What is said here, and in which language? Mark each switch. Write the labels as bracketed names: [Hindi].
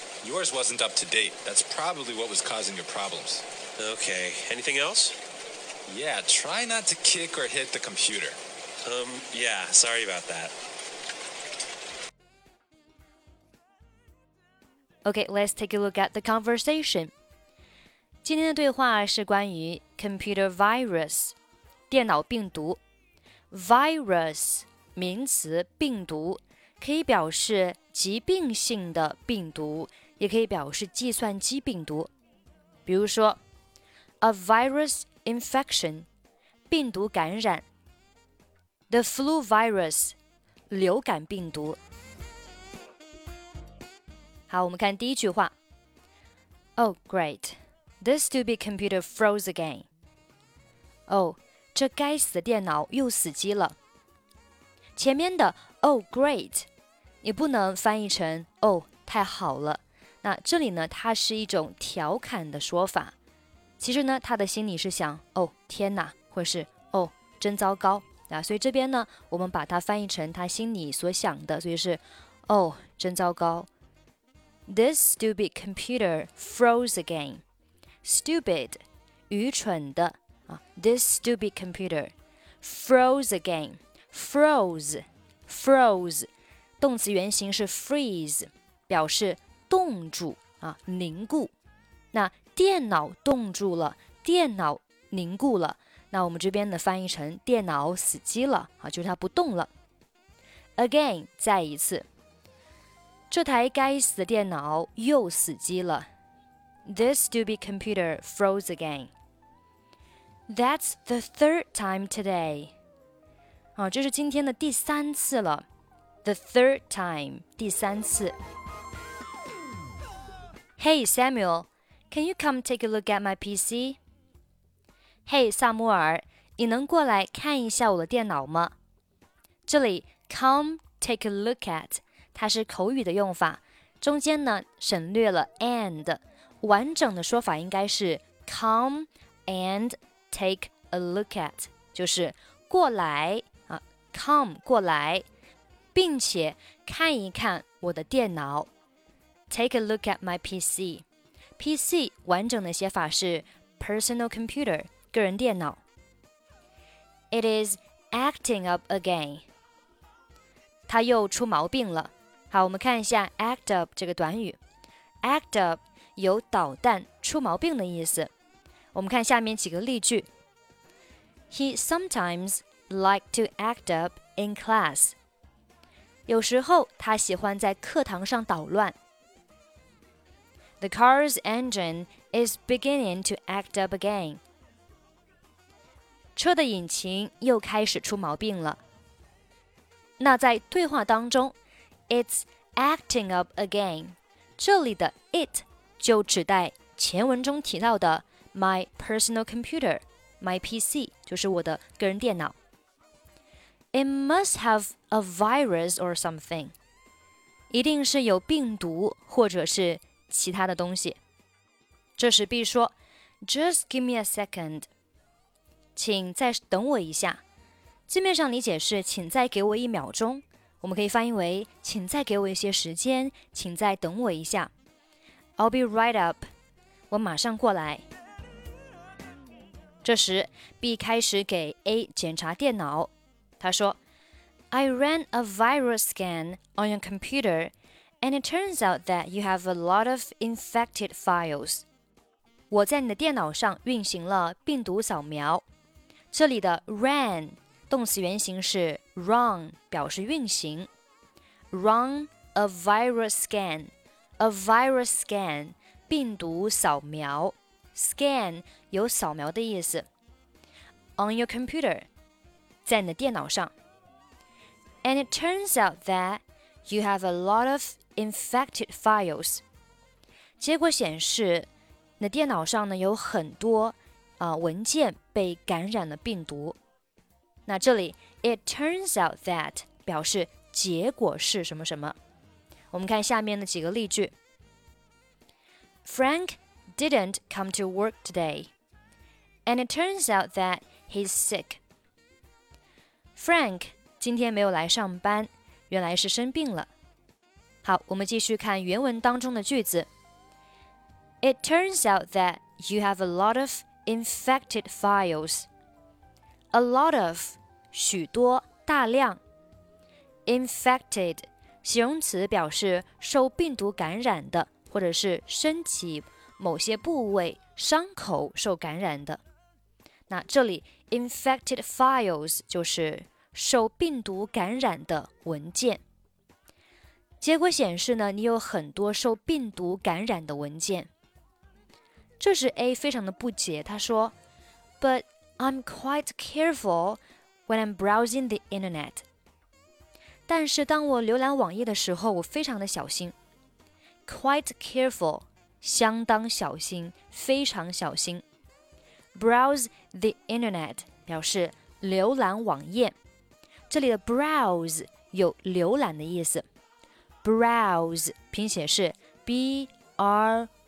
[English] Yours wasn't up to date. That's probably what was causing your problems. Okay. Anything else? Yeah, try not to kick or hit the computer. Yeah, sorry about that. Okay, let's take a look at the conversation. [Chinese] 今天的对话是关于 computer virus, 电脑病毒。 [English] Virus. [Chinese] 名词病毒可以表示疾病性的病毒，也可以表示计算机病毒。比如说 ， [English] a virus infection， [Chinese] 病毒感染 ； [English] the flu virus， [Chinese] 流感病毒。好，我们看第一句话。 [English] Oh great, this stupid computer froze again. [Chinese] Oh， 这该死的电脑又死机了。前面的 [English] Oh great [Chinese] 也不能翻译成 Oh 太好了，那这里呢它是一种调侃的说法，其实呢他的心里是想 Oh 天哪，或是 Oh 真糟糕，那所以这边呢我们把它翻译成他心里所想的，所以是 Oh 真糟糕。 [English] This stupid computer froze again. [Chinese] Stupid 愚蠢的、啊、 [English] This stupid computer froze againFroze [Chinese] 动词原形是 freeze， 表示冻住、啊、凝固。那电脑冻住了，电脑凝固了，那我们这边的翻译成电脑死机了、啊、就是它不动了。 Again 再一次，这台该死的电脑又死机了。 [English] This stupid computer froze again. That's the third time today啊、 [Chinese] 这是今天的第三次了。 [English] The third time, 第三次。 Hey, Samuel, can you come take a look at my PC? Hey, [Chinese] 萨摩尔，你能过来看一下我的电脑吗？这里 come take a look at, 它是口语的用法。中间呢省略了 and, 完整的说法应该是 come and take a look at, 就是过来。 Come, 过来，并且看一看我的电脑。 [English] Take a look at my PC. PC 完整的写法是 personal computer, 个人电脑。 It is acting up again. [Chinese] 它又出毛病了。好，我们看一下 act up 这个短语。Act up 有捣蛋、出毛病的意思。我们看下面几个例句。 [English] He sometimes... like to act up in class. [Chinese] 有时候他喜欢在课堂上捣乱。 [English] The car's engine is beginning to act up again. [Chinese] 车的引擎又开始出毛病了。那在对话当中 , [English] it's acting up again. [Chinese] 这里的 it 就指代前文中提到的 my personal computer, my PC, 就是我的个人电脑。 [English] It must have a virus or something. [Chinese] 一定是有病毒或者是其他的东西。这时 B 说 [English] Just give me a second. [Chinese] 请再等我一下。字面上理解是请再给我一秒钟。我们可以翻译为请再给我一些时间，请再等我一下。 [English] I'll be right up. [Chinese] 我马上过来。这时 B 开始给 A 检查电脑，他说 [English] I ran a virus scan on your computer and it turns out that you have a lot of infected files. [Chinese] 我在你的电脑上运行了病毒扫描。这里的 ran 动词原形是 run 表示运行。 [English] Run a virus scan, a virus scan, 病毒扫描。 [Chinese] Scan 有扫描的意思。 [English] On your computer [Chinese] 在你的电脑上。 [English] And it turns out that you have a lot of infected files. [Chinese] 结果显示你的电脑上呢有很多、文件被感染了病毒。那这里 It turns out that 表示结果是什么什么。我们看下面的几个例句。 [English] FrankDidn't come to work today. And it turns out that he's sick. [Chinese] Frank 今天没有来上班，原来是生病了。好，我们继续看原文当中的句子。 [English] It turns out that you have a lot of infected files. A lot of, 许多，大量。 [Chinese] Infected, 形容词表示受病毒感染的，或者是身体某些部位伤口受感染的。那这里 infected files 就是受病毒感染的文件。结果显示呢，你有很多受病毒感染的文件。这时 A 非常的不解，他说 [English] But I'm quite careful when I'm browsing the internet. [Chinese] 但是当我浏览网页的时候，我非常的小心。 [English] Quite careful [Chinese] 相当小心，非常小心。 [English] Browse the internet 表示浏览网页。 [Chinese] 这里的 browse 有浏览的意思。 Browse 拼写是 B-R-O-W-S-E。